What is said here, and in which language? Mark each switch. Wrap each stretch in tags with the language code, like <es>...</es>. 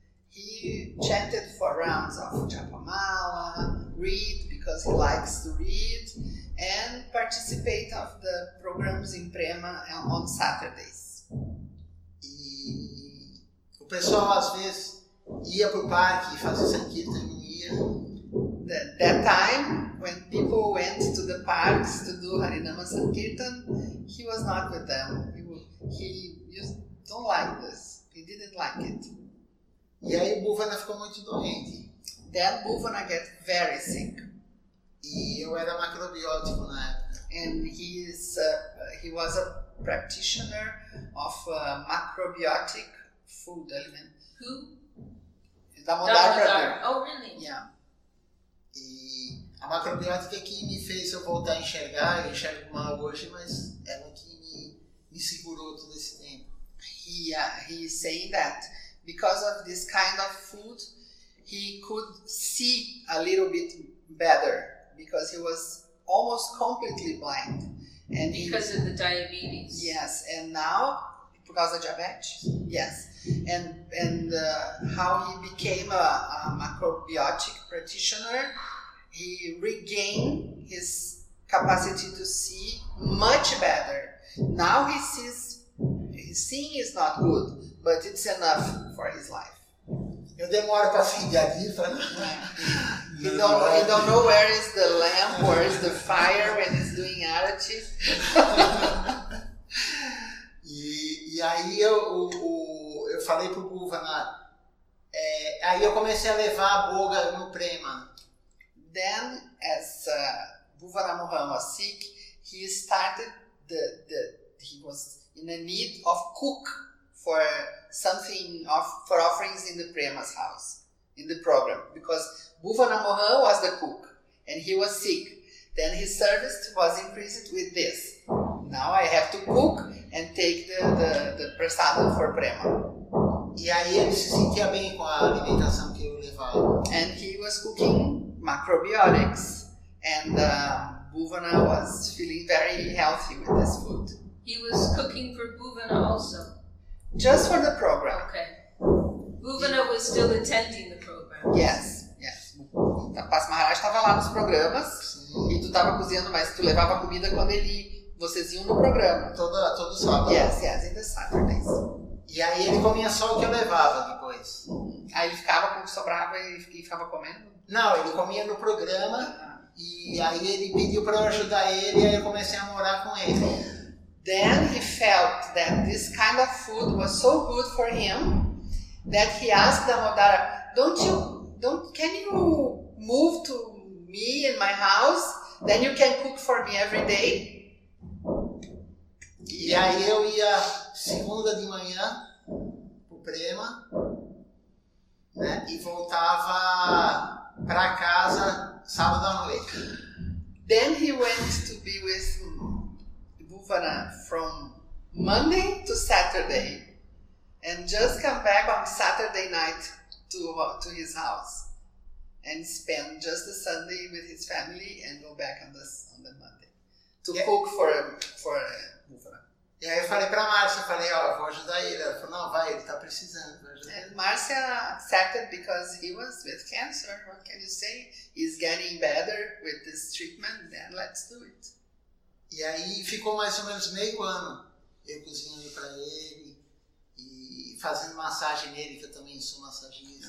<en>He chanted 4 rounds of Japamala, read because he likes to read, and participate of the programs in Prema on Saturdays.</en> <pt>E o pessoal às vezes ia pro parque e fazia sankirtan, ia.</pt> <en>That time, when people went to the parks to do Harinama Sankirtan, he was not with them. He just don't like this. He didn't like it.</en> <pt>E aí Bhuvana ficou muito doente.</pt> <en>Then Bhuvana got very sick.</en> <pt>E eu era macrobiótico na época.</pt> <en>And he was a practitioner of macrobiotic food. Who? Damodar Brother. Oh, really? Yeah.</en> <pt>E a macrobiótica que me fez eu voltar a enxergar, eu enxergo mal hoje, mas ela que me segurou todo esse tempo.</pt> <en>He is saying that because of this kind of food, he could see a little bit better because he was almost completely blind. And because of the diabetes. Yes, and now,</en> <pt>por causa da diabetes?</pt> <en>Yes. And how he became a macrobiotic practitioner, he regained his capacity to see much better. Now he sees, his seeing is not good, but it's enough for his life.</en> <pt>Eu demoro para acender a vela.</pt> <en>You don't know where is the lamp, where is the fire when he's doing arati.</en> <pt>E aí eu falei pro Bhuvana, aí eu comecei a levar a boga no Prema.</pt> <en>Then, as Bhuvana Mohan was sick, he started he was in a need of cook for something for offerings in the Prema's house, in the program, because Bhuvana Mohan was the cook and he was sick. Then his service was increased with this. Now I have to cook and take the prasada for Prema.</en> <pt>E aí ele se sentia bem com a alimentação que eu levava.</pt> <en>And he was cooking macrobiotics. And Bhuvana was feeling very healthy with this food. He was cooking for Bhuvana also? Just for the program. Okay. Bhuvana was still attending the program.</en> <pt>Yes, yes. Tapas Maharaj estava lá nos programas. Sim. E tu estava cozinhando, mas tu levava comida quando ele... Vocês iam no programa. Todo sábado.</pt> <en>Yes, yes, in the Saturdays.</en> <pt>E aí ele comia só o que eu levava depois. Aí ele ficava com o que sobrava e ficava comendo? Não, ele comia no programa. E aí ele pediu para eu ajudar ele e aí eu comecei a morar com ele.</pt> <en>Then he felt that this kind of food was so good for him that he asked Damodara, can you move to me in my house? Then you can cook for me every day.</en> <pt>E aí eu ia segunda de manhã pro Prema, né, e voltava para casa sábado à noite.</pt> <en>Then he went to be with Bhuvana from Monday to Saturday and just come back on Saturday night to his house and spend just the Sunday with his family and go back on the Monday to cook for Bhuvana.</en> <pt>E aí eu falei pra Márcia, falei, ó, oh, vou ajudar ele. Ela falou, não, vai, ele tá precisando, vou ajudar.</pt> <en>And Márcia accepted because he was with cancer, what can you say? He's getting better with this treatment, then let's do it.</en> <pt>E aí ficou mais ou menos meio ano eu cozinhando pra ele e fazendo massagem nele, que eu também sou massagista.</pt>